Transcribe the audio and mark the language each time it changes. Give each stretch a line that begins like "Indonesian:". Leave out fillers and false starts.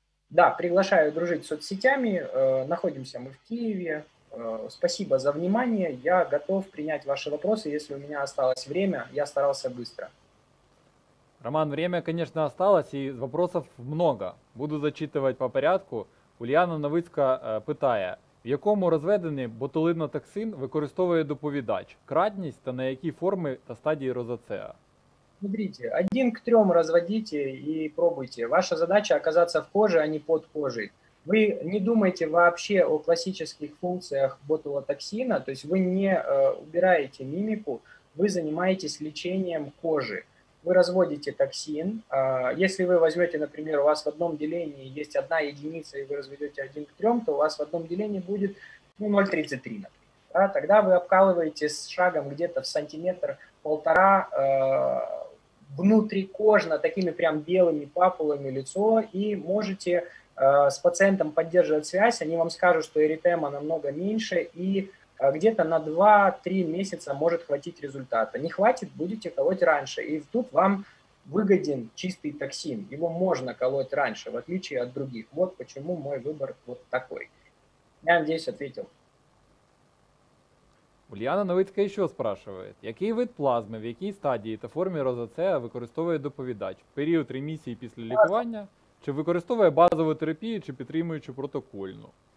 Russian: Да, приглашаю дружить с соцсетями, находимся мы в Киеве. Спасибо за внимание. Я готов принять ваши вопросы. Если у меня осталось время, я старался быстро. Роман, время, конечно, осталось, и вопросов много. Буду зачитывать по порядку.
Ukrainian: Ульяна Новицька питає, в якому розведенні ботулінотоксин використовує доповідач? Кратність та на які форми та стадії розацеа?
Russian: Смотрите, один к трем разводите и пробуйте. Ваша задача оказаться в коже, а не под кожей. Вы не думаете вообще о классических функциях ботулотоксина, то есть вы не убираете мимику, вы занимаетесь лечением кожи. Вы разводите токсин. Если вы возьмете, например, у вас в одном делении есть одна единица, и вы разведете один к трем, то у вас в одном делении будет 0,33, например. Тогда вы обкалываете с шагом где-то в сантиметр-полтора внутрикожно, такими прям белыми папулами лицо, и можете с пациентом поддерживать связь, они вам скажут, что эритема намного меньше, и где-то на 2-3 месяца может хватить результата. Не хватит, будете колоть раньше. И тут вам выгоден чистый токсин. Его можно колоть раньше, в отличие от других. Вот почему мой выбор вот такой. Я надеюсь, ответил. Ульяна Новицька еще спрашивает.
Ukrainian: Який вид плазми, в якій стадії та формі розацеа використовує доповідач? Період ремісії після лікування? Чи використовує базову терапію, чи підтримуючи протокольну?